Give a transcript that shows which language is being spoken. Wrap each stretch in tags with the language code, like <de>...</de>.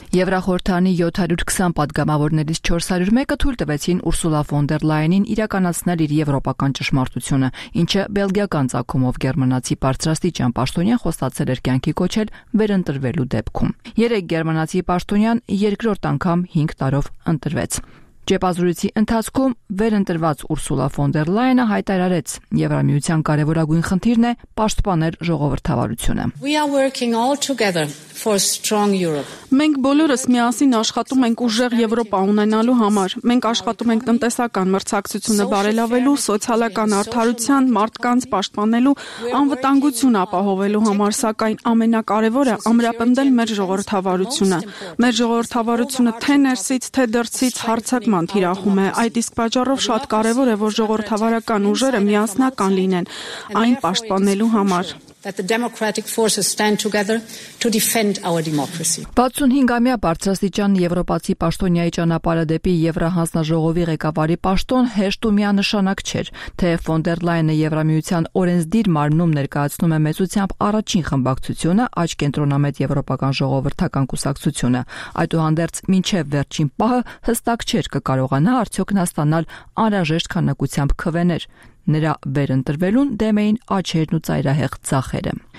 <hy>Եվրախորհրդանի 720 պատգամավորներից 401-ը թույլ տվեցին Ուրսուլա ֆոն դեր Լայենին իրականացնել իր եվրոպական ճշմարտությունը, ինչը բելգիական ցակումով գերմանացի բարձրաստիճան պաշտոնյան խոստացել էր կյանքի կոչել վերընտրվելու դեպքում։ Երեք գերմանացի պաշտոնյան երկրորդ անգամ 5 տարով ընտրվեց։ Ճեպազրույցի ընթացքում վերընտրված Ուրսուլա ֆոն դեր Լայենը հայտարարեց. Եվրամիության կարևորագույն խնդիրն է պաշտպանել ժողովրդավարությունը.</hy> <en>We are working all together for a strong Europe.</en> <hy>Մենք բոլորս միասին աշխատում ենք ուժեղ Եվրոպա ունենալու համար։ Մենք աշխատում ենք տնտեսական մրցակցությունը բարելավելու, սոցիալական արդարության, մարդկանց պաշտպանելու, անվտանգություն ապահովելու համար, սակայն ամենակարևորը ամրապնդել մեր ժողովրդավարությունը։ Մեր ժողովրդավարությունը թե ներսից, թե դրսից հարցակման թիրախում է, այդ իսկ պատճառով շատ կարևոր է, որ ժողովրդավարական ուժերը միասնական լինեն այն պաշտպանելու համար։</hy> <en>That the democratic forces stand together to defend our democracy.</en> <hy>65-ամյա բարձրաստիճան Եվրոպացի Պաշտոնիայի ճանապարհը դեպի Եվրահանձնաժողովի ղեկավարի պաշտոն հեշտ ու միանշանակ չէր, թե ֆոն դեր Լայենը Եվրամիության օրենսդիր մարմնում ներկայացնում է մեծությամբ առաջին խմբակցությունը, աջ կենտրոնամետ Եվրոպական ժողովրդական կուսակցությունը, այդուհանդերձ մինչև վերջին պահը հստակ չէր կարողանա արդյոք նա ստանալ անհրաժեշտ քանակությամբ քվեներ։ Նրա վերընտրվելուն դեմ էին աչերն ու ծայրահեղ ձախերը։</hy>